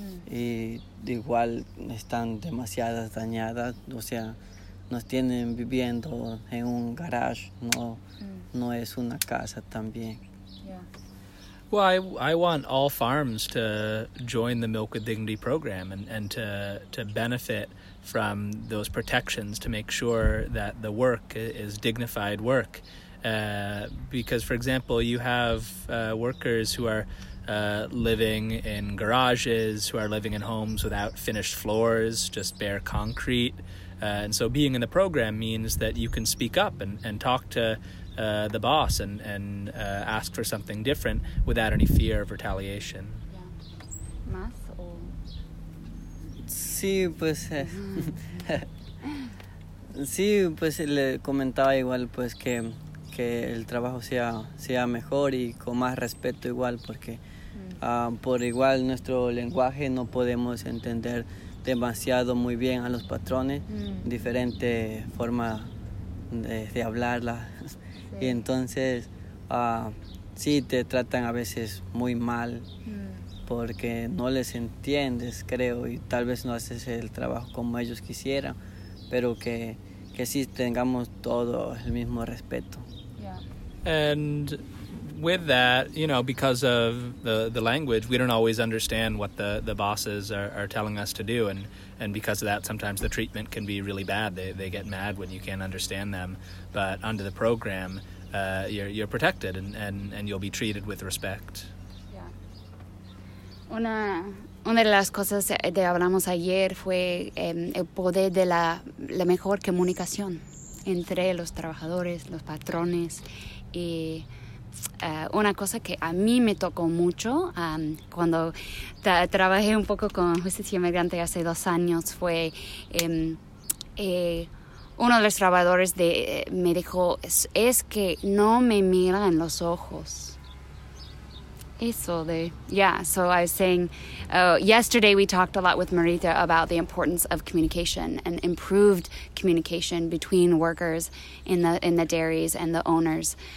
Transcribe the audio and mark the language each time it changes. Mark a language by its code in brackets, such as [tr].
[es] Y igual están demasiadas dañadas, o sea, nos tienen viviendo en un garage, no es una casa también. [en] Well, I want all farms to join the Milk with Dignity program and to benefit from those protections, to make sure that the work is dignified work. Because, for example, you have workers who are living in garages, who are living in homes without finished floors, just bare concrete. And so being in the program means that you can speak up and talk to the boss and ask for something different without any fear of retaliation. [es] Sí, pues sí, pues le comentaba igual, pues que el trabajo sea mejor y con más respeto igual, porque por igual nuestro lenguaje no podemos entender demasiado muy bien a los patrones, diferente forma de hablarla. Y entonces, sí, te tratan a veces muy mal porque no les entiendes, creo, y tal vez no haces el trabajo como ellos quisieran, pero que sí tengamos todo el mismo respeto. [en] Yeah. And with that, you know, because of the language, we don't always understand what the bosses are telling us to do. And because of that, sometimes the treatment can be really bad. They get mad when you can't understand them. But under the program, you're protected and you'll be treated with respect. Yeah. [es] Una de las cosas que hablamos ayer fue el poder de la mejor comunicación entre los trabajadores, los patrones y... una cosa que a mí me tocó mucho cuando trabajé un poco con Justicia Migrante hace 2 años fue uno de los trabajadores me dijo, es que no me mira en los ojos. Eso de, [en] yeah, so I was saying, yesterday we talked a lot with Marita about the importance of communication and improved communication between workers in the dairies and the owners.